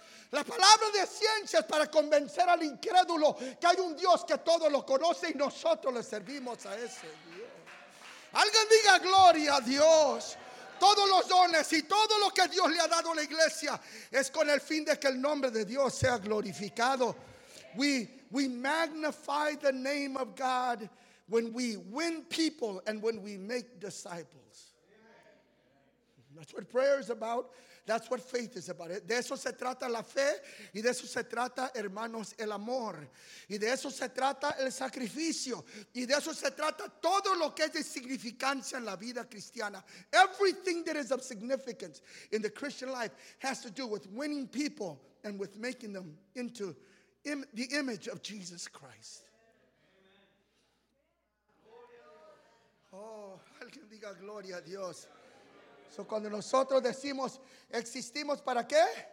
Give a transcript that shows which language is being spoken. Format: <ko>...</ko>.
<es>La palabra de ciencia es para convencer al incrédulo que hay un Dios que todo lo conoce y nosotros le servimos a ese Dios. Alguien diga gloria a Dios. Todos los dones y todo lo que Dios le ha dado a la iglesia es con el fin de que el nombre de Dios sea glorificado.</es> <en>We magnify the name of God when we win people and when we make disciples. That's what prayer is about. That's what faith is about.</en> <es>De eso se trata la fe y de eso se trata, hermanos, el amor. Y de eso se trata el sacrificio. Y de eso se trata todo lo que es de significancia en la vida cristiana.</es> <en>Everything that is of significance in the Christian life has to do with winning people and with making them into the image of Jesus Christ.</en> <es>Oh, alguien diga gloria a Dios. So cuando nosotros decimos, existimos para qué?</es>